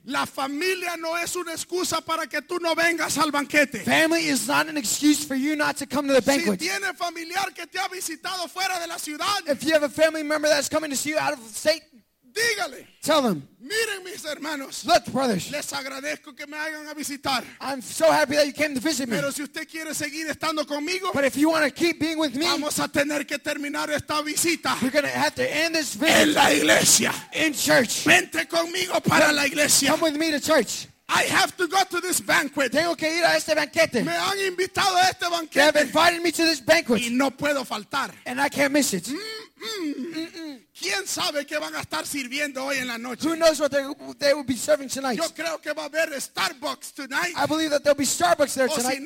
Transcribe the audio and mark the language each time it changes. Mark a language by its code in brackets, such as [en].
[es] La familia no es una excusa para que tú no vengas al banquete. [en] Family is not an excuse for you not to come to the banquet. [es] Si tiene familiar que te ha visitado fuera de la ciudad. [en] If you have a family member that's coming to see you out of the state, [es] Dígale. [en] Tell them. [es] Miren, mis hermanos. [en] Look, brothers. [es] Les agradezco que me hagan a visitar. [en] I'm so happy that you came to visit me. [es] Pero si usted quiere seguir estando conmigo, [en] but if you want to keep being with me, [es] vamos a tener que terminar esta visita. [en] We're going to have to end this visit. [es] En la iglesia. [en] In church. [es] Vente conmigo para la iglesia. [en] Come with me to church. I have to go to this banquet. [es] Tengo que ir a este banquete. Me han invitado a este banquete. [en] They have invited me to this banquet. [es] Y no puedo faltar. [en] And I can't miss it. [es] ¿Quién sabe qué van a estar sirviendo hoy en la noche? [en] Who knows what they will be serving tonight? [es] Yo creo que va a haber Starbucks tonight. [en] I believe that there'll be Starbucks there tonight.